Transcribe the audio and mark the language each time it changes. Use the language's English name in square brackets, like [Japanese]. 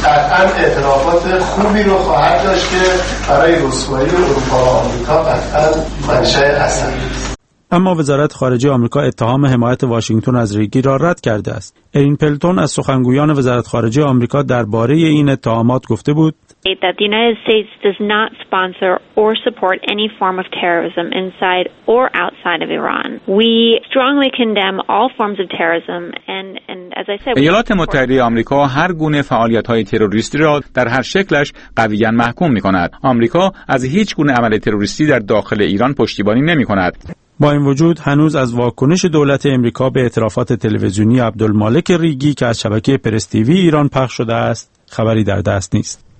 [Persian] قطعاً اعترافات خوبی رو خواهد داشت که برای رسوایی اروپا آمریکا قطعاً منشأ اصلی است. اما وزارت خارجه آمریکا اتهام حمایت واشنگتن از ریگی را رد کرده است. ارین پلتون از سخنگویان وزارت خارجه آمریکا درباره این اتهامات گفته بود: [English] The United States does not sponsor or support any form of terrorism inside or outside of Iran. We strongly condemn all forms of terrorism and as I said, [Persian] ایالات متحده آمریکا هر گونه فعالیت‌های تروریستی را در هر شکلش قویاً محکوم می‌کند. آمریکا از هیچ گونه عمل تروریستی در داخل ایران پشتیبانی نمی‌کند. با این وجود هنوز از واکنش دولت امریکا به اعترافات تلویزیونی عبدالملک ریگی که از شبکه پرس تیوی ایران پخش شده است خبری در دست نیست.